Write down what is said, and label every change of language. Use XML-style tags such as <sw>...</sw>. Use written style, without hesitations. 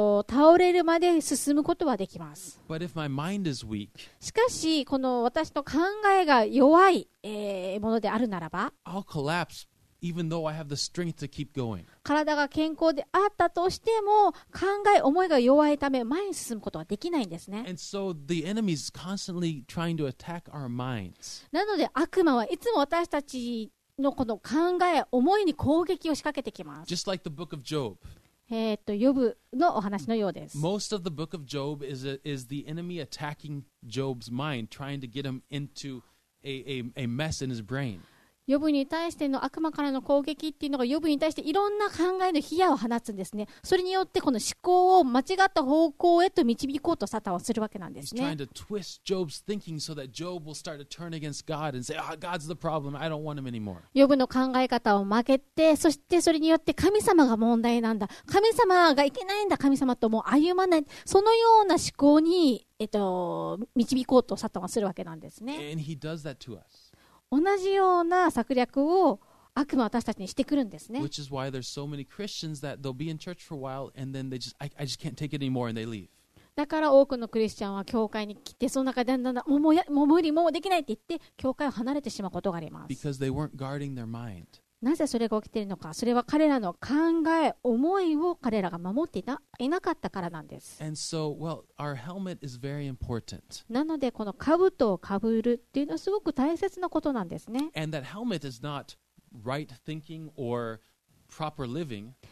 <ja>倒れるまで進むことはできます。</ja> <en>But if my mind is weak,</en> <ja>しかし、この私の考えが弱い、ものであるならば、</ja> <en>I'll collapse even though I have the strength to keep going.</en> <ja>体が健康であったとしても、考え、思いが弱いため、前に進むことはできないんですね。</ja> <en>And so the enemy is constantly trying to attack our minds.</en> <ja>なので、悪魔はいつも私たちのこの考え、思いに攻撃を仕掛けてきます。</ja> <en>Just like the book of Job.</en> <ja>ヨブのお話のようです。</ja> <en>Most of the book of Job is the enemy attacking Job's mind, trying to get him into a mess in his brain.</en> <ja>ヨブに対しての悪魔からの攻撃っていうのがヨブに対していろんな考えの火矢を放つんですね。それによってこの思考を間違った方向へと導こうとサタンはするわけなんですね。</ja> <en>He's trying to twist Job's thinking so that Job will start to turn against God and say, God's the problem. I don't want him anymore.</en> <ja>ヨブの考え方を曲げて、そしてそれによって神様が問題なんだ。神様がいけないんだ。神様ともう歩まない。そのような思考に、導こうとサタンはするわけなんですね。</ja> <en>And he does that to us.</en> <ja>同じような策略を悪魔は私たちにしてくるんですね。</ja> <en>Which is why there's so many Christians that they'll be in church for a while and then they just I just can't take it anymore and they leave.</en> <ja>だから多くのクリスチャンは教会に来てその中でだんだんもう無理もうできないって言って教会を離れてしまうことがあります。</ja> <en>Because they weren't guarding their mind.</en> <ja>なぜそれが起きているのか、それは彼らの考え、思いを彼らが守っていなかったからなんです。</ja> <en>And so, well, our helmet is very important.</en> <ja>なのでこの兜をかぶるっていうのはすごく大切なことなんですね。</ja> <en>And that helmet is not right thinking or proper living.</en>